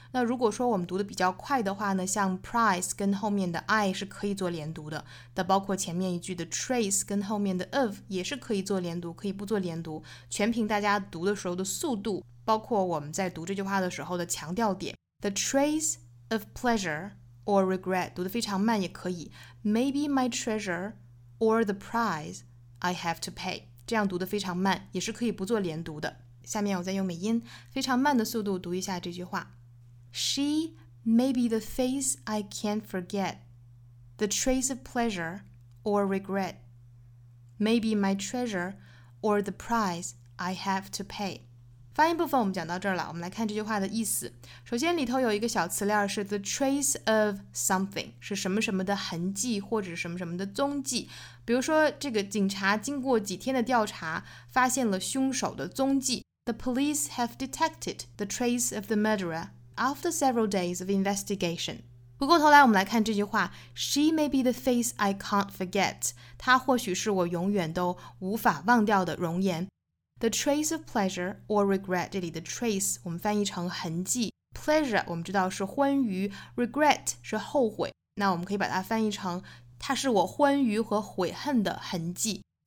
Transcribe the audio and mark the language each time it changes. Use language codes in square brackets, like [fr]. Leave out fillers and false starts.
[zh] 那如果说我们读的比较快的话呢，像 price 跟后面的 I 是可以做连读的，但包括前面一句的 trace 跟后面的 of 也是可以做连读，可以不做连读，全凭大家读的时候的速度，包括我们在读这句话的时候的强调点。 [en] The trace of pleasure or regret [zh] 读得非常慢也可以， [en] maybe my treasure or the price I have to pay， [zh] 这样读得非常慢，也是可以不做连读的。下面我再用美音非常慢的速度读一下这句话。 [en] She may be the face I can't forget, the trace of pleasure or regret, maybe my treasure or the price I have to pay。 [zh] 发音部分我们讲到这儿了，我们来看这句话的意思。首先里头有一个小词料是 [en] the trace of something， [zh] 是什么什么的痕迹或者什么什么的踪迹。比如说这个警察经过几天的调查发现了凶手的踪迹。 [en] The police have detected the trace of the murderer after several days of investigation。 [zh] 回过头来我们来看这句话， [en] She may be the face I can't forget， [zh] 她或许是我永远都无法忘掉的容颜。 [en] The trace of pleasure or regret， [zh] 这里的 trace 我们翻译成痕迹， pleasure 我们知道是欢愉， regret 是后悔，那我们可以把它翻译成它是我欢愉和悔恨的痕迹。